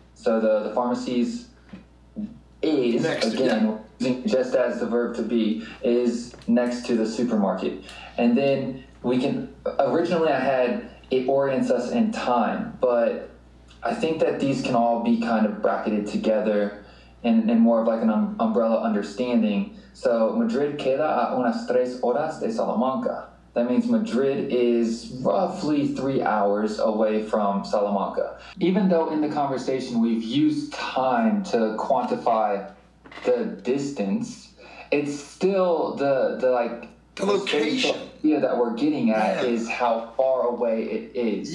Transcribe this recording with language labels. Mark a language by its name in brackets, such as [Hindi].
[English] So the pharmacy's is, next, again, just as the verb to be, is next to the supermarket. And then originally I had it orients us in time, but I think that these can all be kind of bracketed together in more of like an umbrella understanding. [Spanish] So Madrid queda a unas tres horas de Salamanca. [English] That means Madrid is roughly 3 hours away from Salamanca. Even though in the conversation we've used time to quantify the distance, it's still the like the location that we're getting at is how far away it is.